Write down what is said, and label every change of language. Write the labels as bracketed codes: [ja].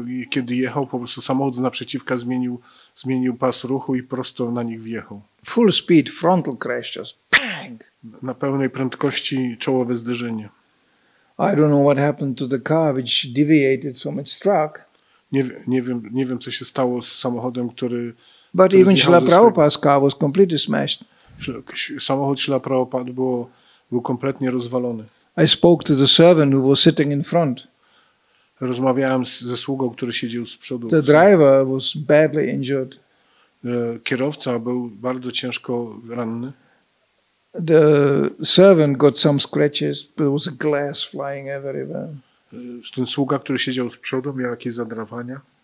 [pl] Kiedy jechał, po prostu samochód z naprzeciwka zmienił pas ruchu i prosto na nich wjechał. [en] Full speed, frontal crash, just bang. [pl] Na pełnej prędkości czołowe zderzenie. [en] I don't know what happened to the car which deviated from its track. [pl] Nie wiem, co się stało z samochodem, który. [en] But even Srila Prabhupada's car was completely smashed. [pl] Samochód Srila Prabhupada był kompletnie rozwalony. [en] I spoke to the servant who was sitting in front. [pl] rozmawiałem ze sługą, który siedział z przodu. [en] The driver was badly injured. [pl] Kierowca był bardzo ciężko ranny. [en] The servant got some scratches, but there was a glass flying everywhere. [pl] Ten sługa, który siedział z przodu, miał jakieś zadrapania.